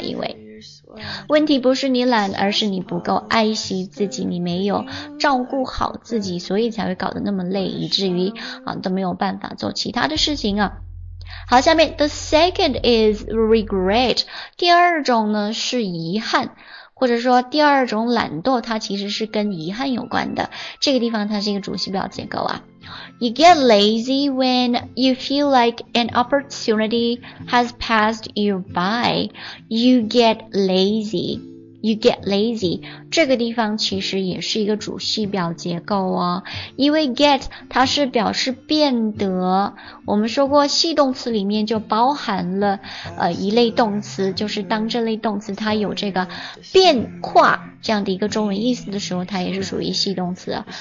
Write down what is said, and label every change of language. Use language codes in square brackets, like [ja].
[zh] 因为问题不是你懒，而是你不够爱惜自己，你没有照顾好自己，所以才会搞得那么累，以至于啊都没有办法做其他的事情啊。好，下面 [en] the second is regret， [zh] 第二种呢是遗憾，或者说第二种懒惰，它其实是跟遗憾有关的。这个地方它是一个主系表结构啊。 [en] You get lazy when you feel like an opportunity has passed you by. You get lazy. You get lazy. [zh] 这个地方其实也是一个主系表结构哦。因为 get 它是表示变得，我们说过系动词里面就包含了一类动词，就是当这类动词它有这个变化这样的一个中文意思的时候，它也是属于系动词。